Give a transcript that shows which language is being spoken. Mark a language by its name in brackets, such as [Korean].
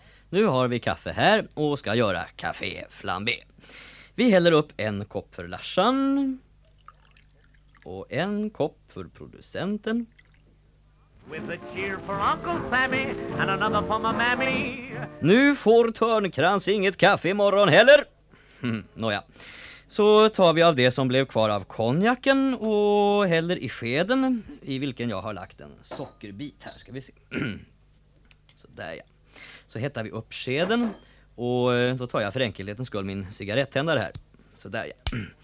[Swedish] Nu har vi kaffe här och ska göra Café Flambé. Vi häller upp en kopp för Larsan och en kopp för producenten. [English] With a cheer for Uncle Sammy and another for my mammy. [Swedish] Nu får Törnkrans inget kaffe imorgon heller. Nåja, så tar vi av det som blev kvar av konjaken och häller i skeden i vilken jag har lagt en sockerbit här. Ska vi se. Så där ja. Så hettar vi upp skeden och då tar jag för enkelhetens skull min cigaretttändare här. Så där ja.